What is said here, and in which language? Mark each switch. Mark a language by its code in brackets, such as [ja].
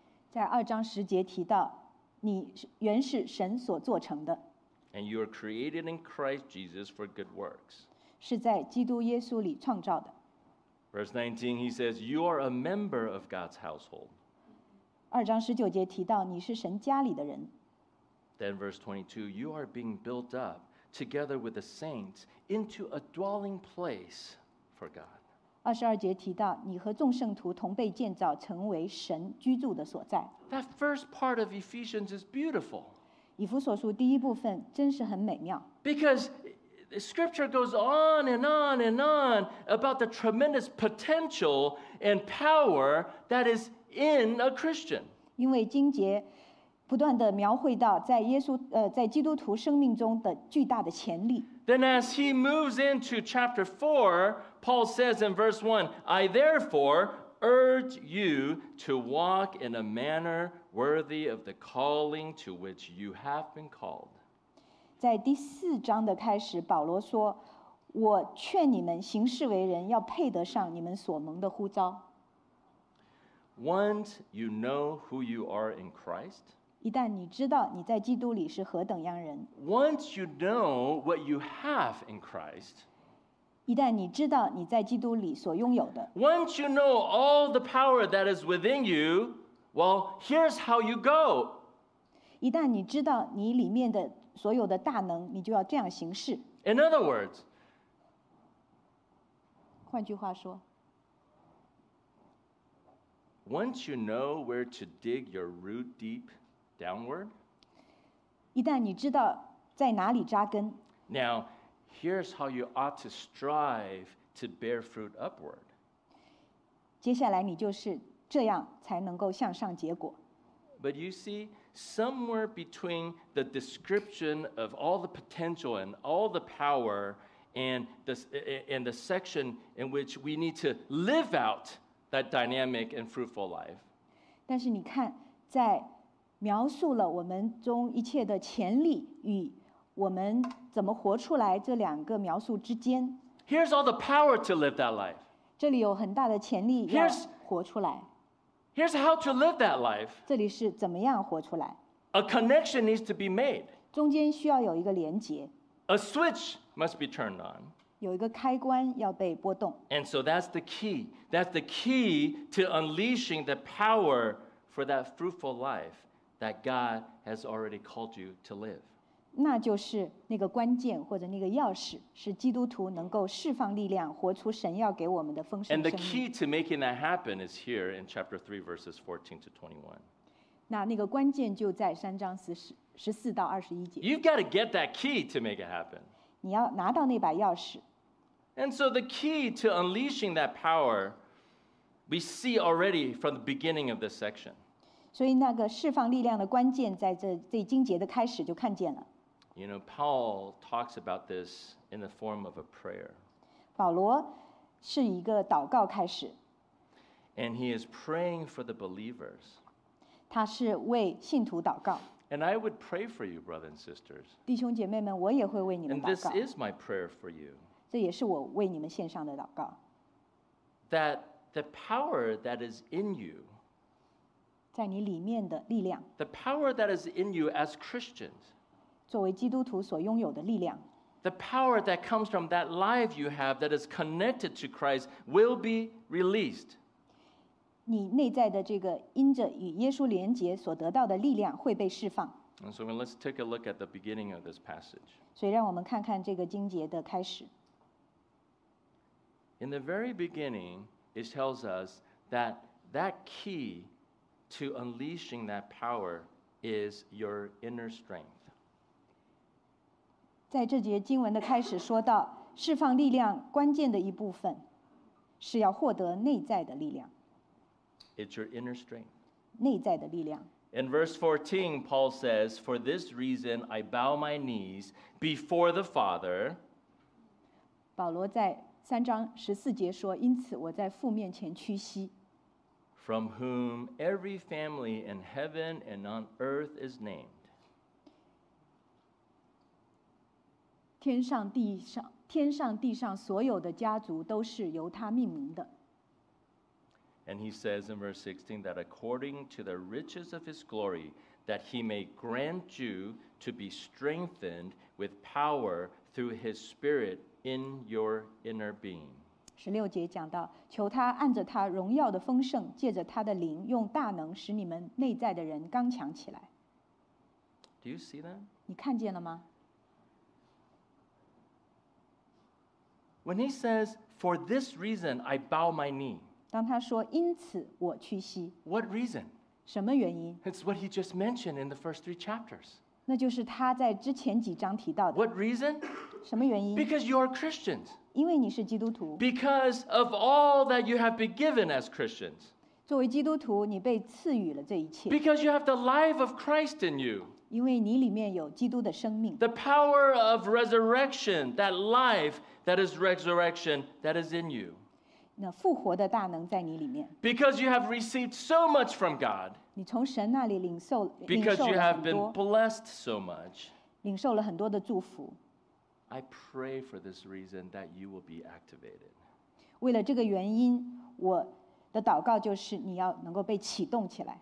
[zh] 在二章十节提到，你原是神所做成的。 [en] And you are created in Christ Jesus for good works. [zh] 是在基督耶稣里创造的。 [en] Verse 19, he says, "You are a member of God's household." [zh] 二章十九节提到你是神家里的人。 [en] Then verse 22, "You are being built up together with the saints into a dwelling place for God." [zh] 二十二节提到你和众圣徒同被建造，成为神居住的所在。 [en] That first part of Ephesians is beautiful. [zh] 以弗所书第一部分真是很美妙。 [en] Because The scripture goes on and on and on about the tremendous potential and power that is in a Christian. [zh] 因为经节不断地描绘到在耶稣在基督徒生命中的巨大的潜力。 [en] Then as he moves into chapter 4, Paul says in verse 1, I therefore urge you to walk in a manner worthy of the calling to which you have been called. [zh] 在第四章的开始，保罗说：“我劝你们行事为人，要配得上你们所蒙的呼召。” [en] Once you know who you are in Christ, [zh] 一旦你知道你在基督里是何等样人。 [en] Once you know what you have in Christ, [zh] 一旦你知道你在基督里所拥有的。 [en] Once you know all the power that is within you, well, here's how you go. [zh] 一旦你知道你里面的所有的大能，你就要这样行事。 [en] In other words, [zh] 换句话说， [en] Once you know where to dig your root deep downward, [zh] 一旦你知道在哪里扎根， [en] Now, here's how you ought to strive to bear fruit upward. [zh] 接下来你就是这样才能够向上结果。 [en] But you see, somewhere between the description of all the potential and all the power and the section in which we need to live out that dynamic and fruitful life. [zh] 但是你看，在描述了我们中一切的潜力与我们怎么活出来这两个描述之间。 [en] Here's all the power to live that life. [zh] 这里有很大的潜力要活出来。 [en] Here's how to live that life. [zh] 这里是怎么样活出来。 [en] A connection needs to be made. [zh] 中间需要有一个连接。 [en] A switch must be turned on. [zh] 有一个开关要被拨动。 [en] And so that's the key. That's the key to unleashing the power for that fruitful life that God has already called you to live. [zh] 那就是那个关键或者那个钥匙，是基督徒能够释放力量，活出神要给我们的丰盛生命。 [en] And the key to making that happen is here in chapter 3, verses 14 to 21. [zh] 那个关键就在三章十四到二十一节。 [en] You've got to get that key to make it happen. [zh] 你要拿到那把钥匙。 [en] And so the key to unleashing that power, we see already from the beginning of this section. [zh] 所以那个释放力量的关键在这经节的开始就看见了。 [en] You know, Paul talks about this in the form of a prayer. [zh] 保罗是一个祷告开始。 [en] And he is praying for the believers. [zh] 他是为信徒祷告。 [en] And I would pray for you, brothers and sisters. [zh] 弟兄姐妹们，我也会为你们祷告。 [en] And this is my prayer for you. [zh] 这也是我为你们献上的祷告。 [en] That the power that is in you, [zh] 在你里面的力量。 [en] The power that is in you as Christians. [zh] 作为基督徒所拥有的力量。 [en] The power that comes from that life you have that is connected to Christ will be released. [zh] 你内在的这个因着与耶稣连结所得到的力量会被释放。 [en] And so let's take a look at the beginning of this passage. [zh] 所以让我们看看这个经节的开始。 [en] In the very beginning, it tells us that that key to unleashing that power is your inner strength. [zh] 在这节经文的开始说到，释放力量关键的一部分是要获得内在的力量。 [en] It's your inner strength. [zh] 内在的力量。 [en] In verse 14, Paul says, "For this reason, I bow my knees before the Father." [zh] 保罗在三章十四节说，因此我在父面前屈膝。 [en] From whom every family in heaven and on earth is named. [zh] 天上地上所有的家族都是由他命名的。 [en] And he says in verse 16 that according to the riches of his glory, that he may grant you to be strengthened with power through his spirit in your inner being. [zh] 十六节讲到，求他按着他荣耀的丰盛，借着他的灵，用大能使你们内在的人刚强起来。 [en] Do you see that? [zh] 你看见了吗？ [en] When he says, "For this reason, I bow my knee." [zh] 当他说因此我屈膝。 [en] What reason? [zh] 什么原因？ [en] It's what he just mentioned in the first three chapters. [zh] 那就是他在之前几章提到的。 [en] What reason? [zh] 什么原因？ [en] Because you are Christians. [zh] 因为你是基督徒。 [en] Because of all that you have been given as Christians. [zh] 作为基督徒，你被赐予了这一切。 [en] Because you have the life of Christ in you. [zh] 因为你里面有基督的生命。 [en] The power of resurrection, that life. That is resurrection that is in you. [zh] 那复活的大能在你里面。 [en] Because you have received so much from God. [zh] 你从神那里领受了很多。 [en] Because you have been blessed so much. [zh] 领受了很多的祝福。 [en] I pray for this reason that you will be activated. [zh] 为了这个原因，我的祷告就是你要能够被启动起来。